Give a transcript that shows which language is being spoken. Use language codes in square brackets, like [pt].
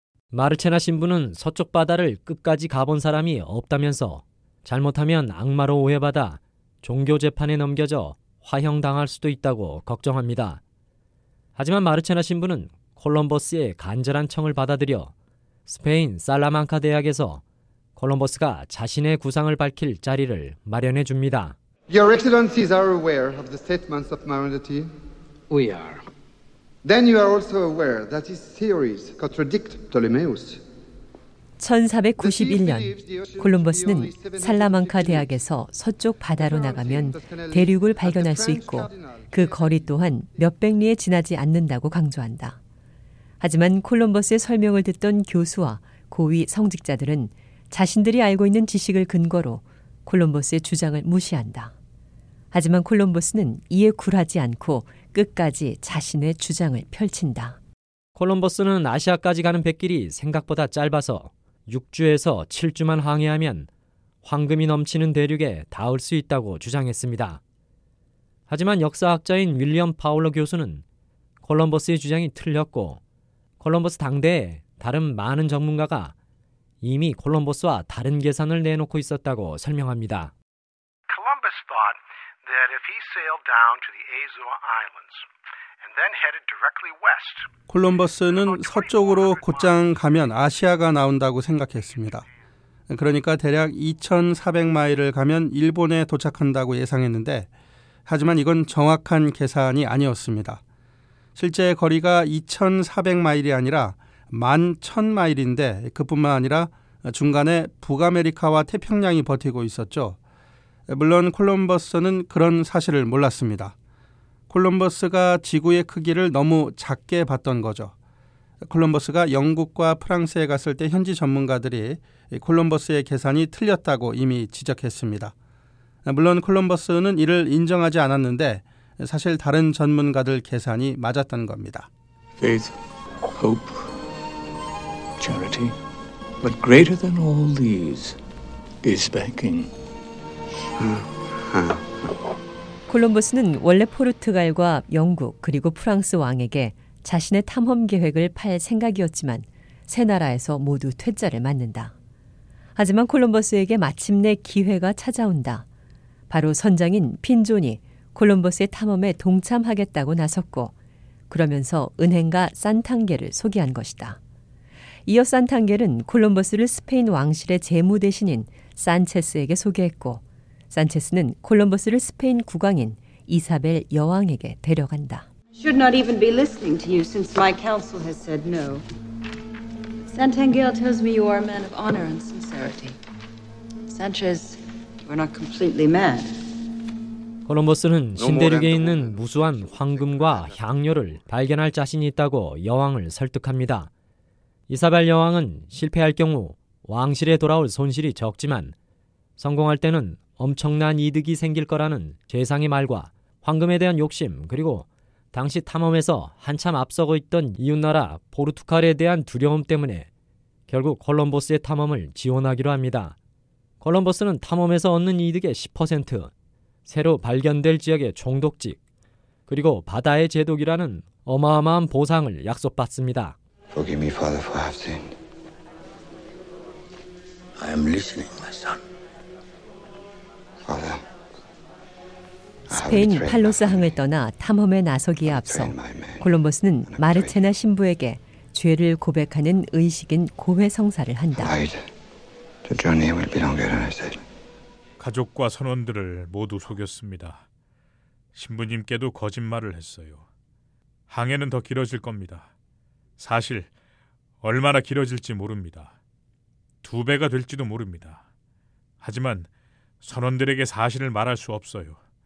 [ko] 마르체나 신부는 서쪽 바다를 끝까지 가본 사람이 없다면서 잘못하면 악마로 오해받아 종교 재판에 넘겨져 화형당할 수도 있다고 걱정합니다. 하지만 마르체나 신부는 콜럼버스의 간절한 청을 받아들여 스페인 살라만카 대학에서 콜럼버스가 자신의 구상을 밝힐 자리를 마련해 줍니다. [en] Your excellencies are aware of the statements of morality? We are. Then you are also aware that his theories contradict Ptolemaeus. [ko] 1491년 콜럼버스는 살라만카 대학에서 서쪽 바다로 나가면 대륙을 발견할 수 있고 그 거리 또한 몇백 리에 지나지 않는다고 강조한다. 하지만 콜럼버스의 설명을 듣던 교수와 고위 성직자들은 자신들이 알고 있는 지식을 근거로 콜럼버스의 주장을 무시한다. 하지만 콜럼버스는 이에 굴하지 않고 끝까지 자신의 주장을 펼친다. 콜럼버스는 아시아까지 가는 뱃길이 생각보다 짧아서 6주에서 7주만 항해하면 황금이 넘치는 대륙에 닿을 수 있다고 주장했습니다. 하지만 역사학자인 윌리엄 파울러 교수는 콜럼버스의 주장이 틀렸고 콜럼버스 당대에 다른 많은 전문가가 이미 콜럼버스와 다른 계산을 내놓고 있었다고 설명합니다. [en] Columbus thought that if he sailed down to the Azores Islands and then headed directly west. [ko] 콜럼버스는 서쪽으로 곧장 가면 아시아가 나온다고 생각했습니다. 그러니까 대략 2400마일을 가면 일본에 도착한다고 예상했는데 하지만 이건 정확한 계산이 아니었습니다. 실제 거리가 2400마일이 아니라 11,000마일인데 그뿐만 아니라 중간에 북아메리카와 태평양이 버티고 있었죠. 물론 콜럼버스는 그런 사실을 몰랐습니다. 콜럼버스가 지구의 크기를 너무 작게 봤던 거죠. 콜럼버스가 영국과 프랑스에 갔을 때 현지 전문가들이 콜럼버스의 계산이 틀렸다고 이미 지적했습니다. 물론 콜럼버스는 이를 인정하지 않았는데 사실 다른 전문가들 계산이 맞았던 겁니다. [en] Faith, hope, charity, but greater than all these is backing. [ko] 콜럼버스는 원래 포르투갈과 영국 그리고 프랑스 왕에게 자신의 탐험 계획을 팔 생각이었지만 세 나라에서 모두 퇴짜를 맞는다. 하지만 콜럼버스에게 마침내 기회가 찾아온다. 바로 선장인 핀존이 콜럼버스의 탐험에 동참하겠다고 나섰고 그러면서 은행가 산탕겔을 소개한 것이다. 이어 산탕겔은 콜럼버스를 스페인 왕실의 재무 대신인 산체스에게 소개했고 산체스는 콜럼버스를 스페인 국왕인 이사벨 여왕에게 데려간다. [en] Should not even be listening to you since my council has said no. Santangel tells me you are a man of honor and sincerity. Sanchez, you are not completely mad. [ko] 콜럼버스는 신대륙에 있는 무수한 황금과 향료를 발견할 자신이 있다고 여왕을 설득합니다. 이사벨 여왕은 실패할 경우 왕실에 돌아올 손실이 적지만 성공할 때는 엄청난 이득이 생길 거라는 재상의 말과 황금에 대한 욕심 그리고 당시 탐험에서 한참 앞서고 있던 이웃나라 포르투갈에 대한 두려움 때문에 결국 콜럼버스의 탐험을 지원하기로 합니다. 콜럼버스는 탐험에서 얻는 이득의 10%, 새로 발견될 지역의 총독직, 그리고 바다의 제독이라는 어마어마한 보상을 약속받습니다. [en] Forgive me, Father, for I have sinned. I am listening, my son. Father, [ko] 스페인 팔로스 항을 떠나 탐험에 나서기에 앞서 콜럼버스는 마르체나 신부에게 죄를 고백하는 의식인 고해성사를 한다. [en] The journey will be longer than I said. [ko] 가족과 선원들을 모두 속였습니다. 신부님께도 거짓말을 했어요. 항해는 더 길어질 겁니다. 사실 얼마나 길어질지 모릅니다. 두 배가 될지도 모릅니다. 하지만 선원들에게 사실을 말할 수 없어요.